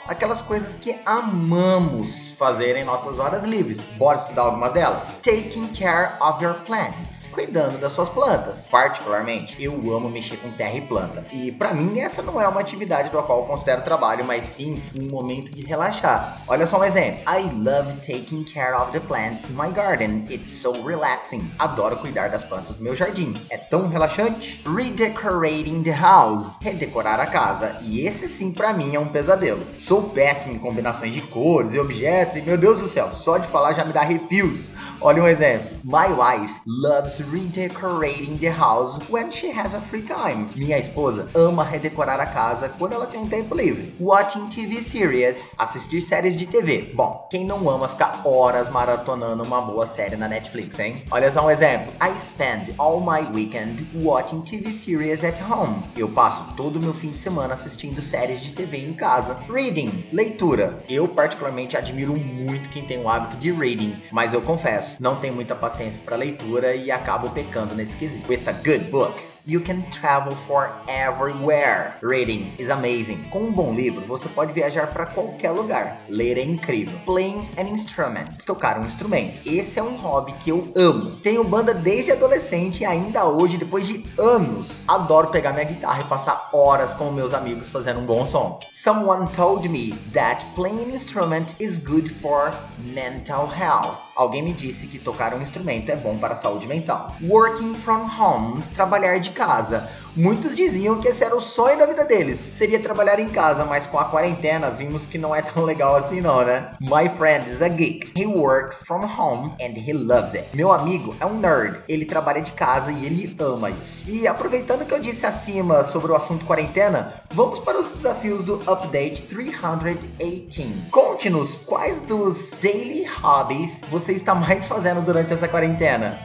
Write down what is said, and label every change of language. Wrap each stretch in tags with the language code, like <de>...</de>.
<pt>Aquelas coisas que amamos fazer em nossas horas livres. Bora estudar alguma delas?</pt> <en>Taking care of your plants.</en> <pt>Cuidando das suas plantas. Particularmente, eu amo mexer com terra e planta. E pra mim, essa não é uma atividade da qual eu considero trabalho, mas sim um momento de relaxar. Olha só um exemplo.</pt> <en>I love taking care of the plants in my garden. It's so relaxing.</en> <pt>Adoro cuidar das plantas do meu jardim. É tão relaxante.</pt> <en>Redecorating the house.</en> <pt>Redecorar a casa. E esse sim, pra mim, é um pesadelo. Sou péssimo em combinações de cores e objetos. E meu Deus do céu, só de falar já me dá arrepios. Olha um exemplo.</pt> <en>My wife loves redecorating the house when she has a free time.</en> <pt>Minha esposa ama redecorar a casa quando ela tem um tempo livre.</pt> <en>Watching TV series.</en> <pt>Assistir séries de TV. Bom, quem não ama ficar horas maratonando uma boa série na Netflix, hein? Olha só um exemplo.</pt> <en>I spend all my weekend watching TV series at home.</en> <pt>Eu passo todo meu fim de semana assistindo séries de TV em casa.</pt> <en>Reading.</en> <pt>Leitura. Eu particularmente admiro muito quem tem o hábito de reading, mas eu confesso, não tenho muita paciência para leitura e acabo pecando nesse quesito.</pt> <en>With a good book, you can travel for everywhere. Reading is amazing.</en> <pt>Com um bom livro, você pode viajar para qualquer lugar. Ler é incrível.</pt> <en>Playing an instrument.</en> <pt>Tocar um instrumento. Esse é um hobby que eu amo. Tenho banda desde adolescente e ainda hoje, depois de anos, adoro pegar minha guitarra e passar horas com meus amigos fazendo um bom som.</pt> <en>Someone told me that playing an instrument is good for mental health.</en> <pt>Alguém me disse que tocar um instrumento é bom para a saúde mental.</pt> <en>Working from home.</en> <pt>Trabalhar de casa. Muitos diziam que esse era o sonho da vida deles. Seria trabalhar em casa, mas com a quarentena vimos que não é tão legal assim não, né?</pt> <en>My friend is a geek. He works from home and he loves it.</en> <pt>Meu amigo é um nerd. Ele trabalha de casa e ele ama isso. E aproveitando que eu disse acima sobre o assunto quarentena, vamos para os desafios do Update 318. Conte-nos quais dos daily hobbies você está mais fazendo durante essa quarentena.</pt>